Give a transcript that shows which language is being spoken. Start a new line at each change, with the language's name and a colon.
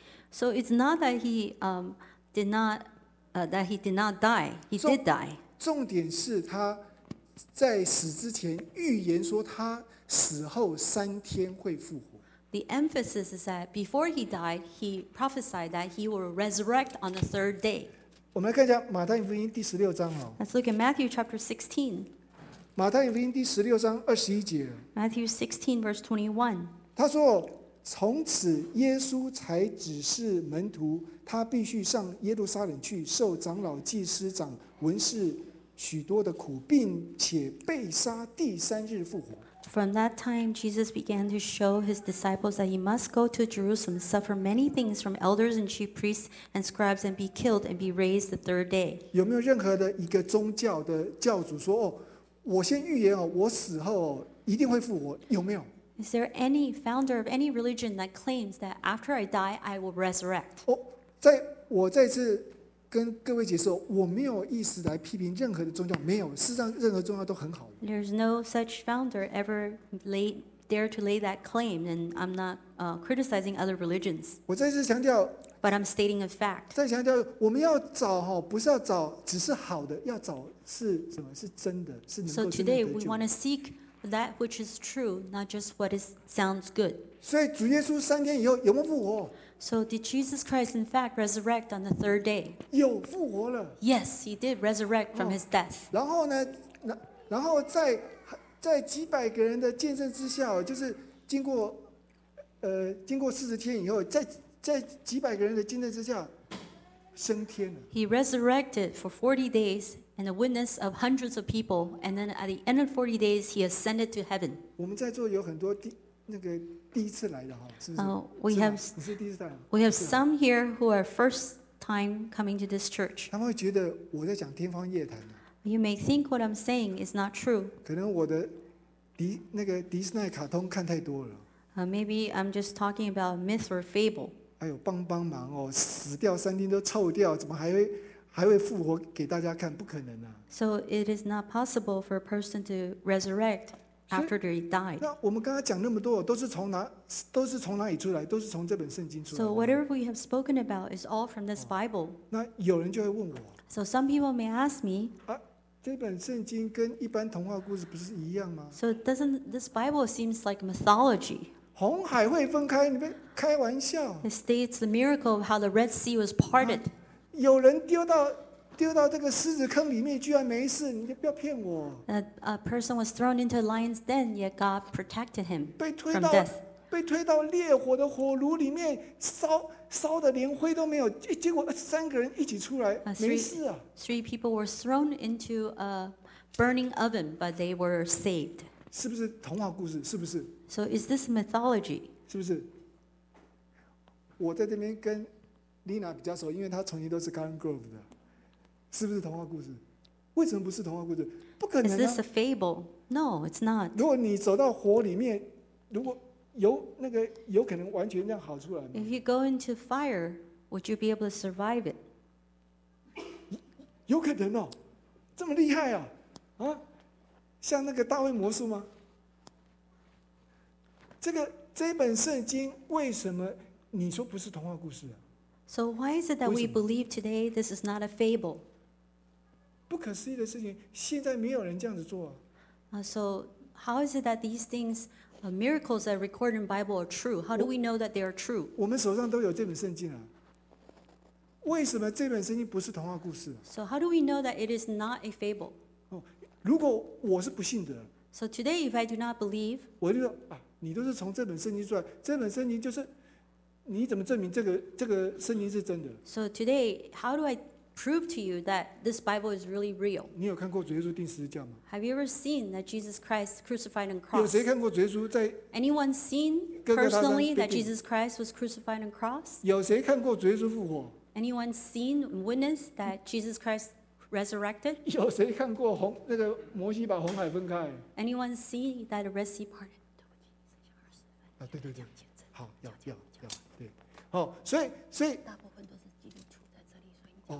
English: So it's not that he did not die. He did die.
Chinese: 重点是他。在死之前预言说他死后三天会复活。
English: The emphasis is that before he died, he prophesied that he will resurrect on the third day.
Chinese: 我们来看一下马太福音第十六章。
English: Let's look at Matthew chapter 16.
Chinese: 马太福音第十六章二十一节。
English: Matthew 16 verse 21.
Chinese: 他说：“从此耶稣才指示门徒，他必须上耶路撒冷去，受长老、祭司长、文士。” 许多的苦，并且被杀，第三日复活。
English: From that time, Jesus began to show his disciples that he must go to Jerusalem, suffer many things from elders and chief priests and scribes, and be killed and be raised the third day.
Chinese: 有没有任何的一个宗教的教主说：“我先预言我死后一定会复活。” 有没有
English: ？Is there any founder of any religion that claims that after I die I will resurrect？
Chinese: 我再次。跟各位解释，我没有意思来批评任何的宗教，没有，事实上任何宗教都很好。
English: There's no such founder ever dare to lay that claim, and I'm not criticizing other religions.
Chinese: 我再次强调
English: ，But I'm stating a fact.
Chinese: 再强调，我们要找不是要找只是好的，要找是什么？是真的，是能够真的得救。
English: So today we want to seek that which is true, not just what sounds good.
Chinese: 所以主耶稣三天以后有没有复活？
English: So did Jesus Christ in fact resurrect on the third day?
Chinese: 有复活了。
English: Yes, he did resurrect from his death.
Chinese: 然后呢？然后在几百个人的见证之下，就是经过四十天以后，在几百个人的见证之下，升天了。
English: He resurrected for 40 days and the witness of hundreds of people, and then at the end of 40 days, he ascended to heaven.
Chinese: 我们在座有很多第一次来的是不是？
English: We have some here who are first time coming to this church.
Chinese: 他们会觉得我在讲天方夜谭。
English: You may think what I'm saying is not true.
Chinese: 可能我的那个迪士尼卡通看太多了。
English: Maybe I'm just talking about myth or fable.
Chinese: 哎呦，帮帮忙哦！死掉三天都臭掉，怎么还会复活给大家看？不可能啊！
English: So it is not possible for a person to resurrect after they died.
Chinese: 那我们刚刚讲那么多，都是从哪里出来？都是从这本圣经出来的。
English: So whatever we have spoken about is all from this Bible.、
Chinese: 哦、那有人就会问我。
English: So some people may ask me.
Chinese: 啊，这本圣经跟一般童话故事不是一样吗
English: ？So doesn't this Bible seems like mythology?
Chinese: 红海会分开，你别开玩笑。
English: It states the miracle of how the Red Sea was parted.、
Chinese: 啊、有人丢到这个狮子坑里面，居然没事，你不要骗我。
English: A person was thrown into a lion's den, yet God protected him from death.
Chinese: 被推到烈火的火炉里面，烧的连灰都没有，结果三个人一起出来，没事啊。
English: Three people were thrown into a burning oven, but they were saved.
Chinese: 是不是童话故事？是不是？
English: So is this mythology?
Chinese: 是不是？我在这边跟 Lina 比较熟，因为她从前都是 Garden Grove 的，是不是童话故事？为什么不是童话故事？不可能啊！
English: Is this a fable? No, it's not.
Chinese: 如果你走到火里面，如果有那个有可能完全这样跑出来吗
English: ？If you go into fire, would you be able to survive it?
Chinese: 有可能哦，这么厉害啊！啊，像那个大卫魔术吗？这本圣经为什么你说不是童话故事、啊、
English: So why is it that we believe today this is not a fable?
Chinese: 不可思议的事情，现在没有人这样子做、啊。
English: So how is it that these things, miracles that are recorded in Bible are true? How do we know that they are true?
Chinese: 我们手上都有这本圣经啊。为什么这本圣经不是童话故事、啊、
English: ？So how do we know that it is not a fable?、
Chinese: 哦、如果我是不信的
English: ，So today if I do not believe,
Chinese: 我就说啊。你都是从这本圣经出来，这本圣经就是，你怎么证明这个圣经是真的
English: ？So today, how do I prove to you that this Bible is really real?
Chinese: 你有看过主耶稣钉十字架吗
English: ？Have you ever seen that Jesus Christ crucified on cross?
Chinese: 有谁看过主耶稣在
English: ？Anyone seen personally that Jesus Christ was crucified on cross?
Chinese: 有谁看过主耶稣复活
English: ？Anyone seen witness that Jesus Christ resurrected?
Chinese: 有谁看过那个摩西把红海分开
English: ？Anyone seen that the Red Sea parted?
Chinese: 啊、对对对，好，要，对，好、哦，所以，大部分都是基督徒在这里，所以